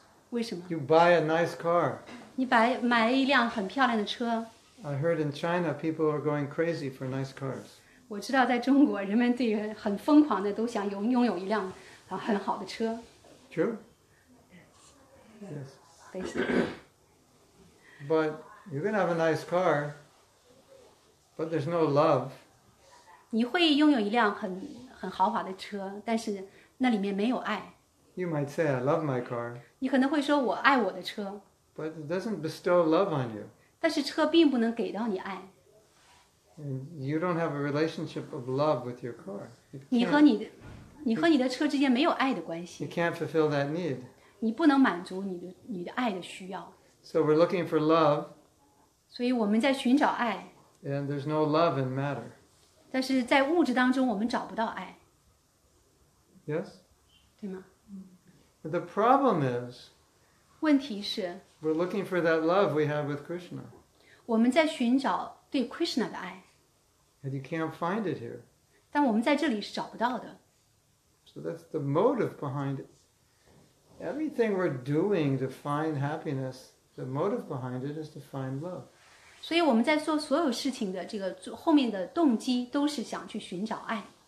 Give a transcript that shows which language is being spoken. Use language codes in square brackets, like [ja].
[zh] 为什么？ [en] You buy a nice car. [zh] 你买一辆很漂亮的车。 [en] I heard in China, people are going crazy for nice cars. [zh] 我知道在中国，人们对很疯狂的都想拥有一辆很好的车。 [en] True? Yes. But you're going to have a nice car, but there's no love. [zh] 你会拥有一辆很豪华的车，但是那里面没有爱。 [en] You might say, I love my car. [zh] 你可能会说我爱我的车。 [en] But it doesn't bestow love on you. [zh] 但是车并不能给到你爱。 [en] You don't have a relationship of love with your car. [zh] 你和你的车之间没有爱的关系。 [en] You can't fulfill that need. [zh] 你不能满足你的爱的需要。 [en] So we're looking for love. [zh] 所以我们在寻找爱。 [en] And there's no love in matter. [zh] 但是在物质当中我们找不到爱。 [en] Yes? [zh] 对吗? [en] But the problem is, [zh] 问题是, [en] we're looking for that love we have with Krishna. [zh] 我们在寻找对 Krishna 的爱, [en] and you can't find it here. [zh] 但我们在这里是找不到的。 [en] So that's the motive behind it. Everything we're doing to find happiness, the motive behind it is to find love. [zh] 所以我们在做所有事情的这个后面的动机都是想去寻找爱。